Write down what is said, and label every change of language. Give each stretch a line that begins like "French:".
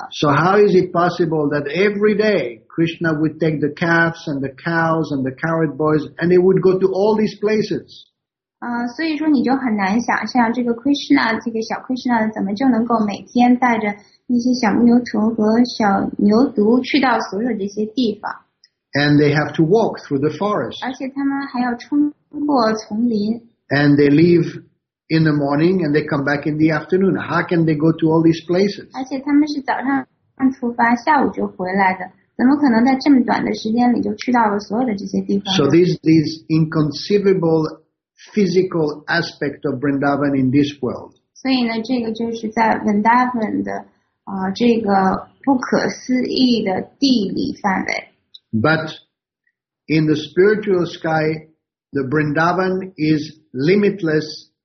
English: So how is it possible that every day Krishna would take the calves and the cows and the carrot boys and they would go to all these places?
Chinese: 所以说你就很难想象这个 Krishna， 这个小 Krishna 怎么就能够每天带着那些小牧牛童和小牛犊去到所有这些地方。
English: And they have to walk through the forest.
Chinese: 而且他们还要冲过丛林。
English: And they leave. In the morning, and they come back in the afternoon. How can they go to all these places?
Chinese: 而且他们是早上出发，下午就回来的，怎么可能在这么短的时间里就去到了所有的这些地方？
English: So these inconceivable physical aspect of Vrindavan in this world.
Chinese: 所以呢，这个就是在 Vrindavan 的这个不可思议的地理范围。
English: But in the spiritual sky, the Vrindavan is limitless.